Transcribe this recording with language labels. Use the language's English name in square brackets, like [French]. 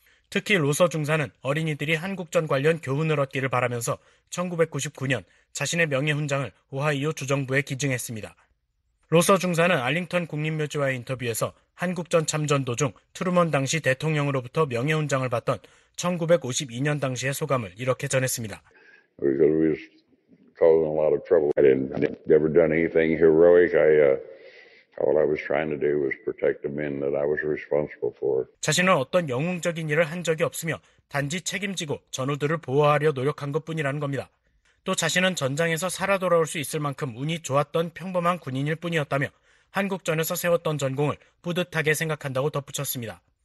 [Korean] 특히 로서 중사는 어린이들이 한국전 관련 교훈을 얻기를 바라면서 1999년 자신의 명예훈장을 오하이오 주정부에 기증했습니다. 로서 중사는 알링턴 국립묘지와의 인터뷰에서 한국전 참전 도중 트루먼 당시 대통령으로부터 명예훈장을 받던 1952년 당시의 소감을 이렇게 전했습니다. [English] Was causing a lot of trouble. I didn't never done anything heroic. All I was trying to do was protect the men that I was responsible for. [Korean] 자신은 어떤 영웅적인 일을 한 적이 없으며 단지 책임지고 전우들을 보호하려 노력한 것뿐이라는 겁니다. 또 자신은 전장에서 살아 돌아올 수 있을 만큼 운이 좋았던 평범한 군인일 뿐이었다며 한국전에서 세웠던 전공을 뿌듯하게 생각한다고 덧붙였습니다.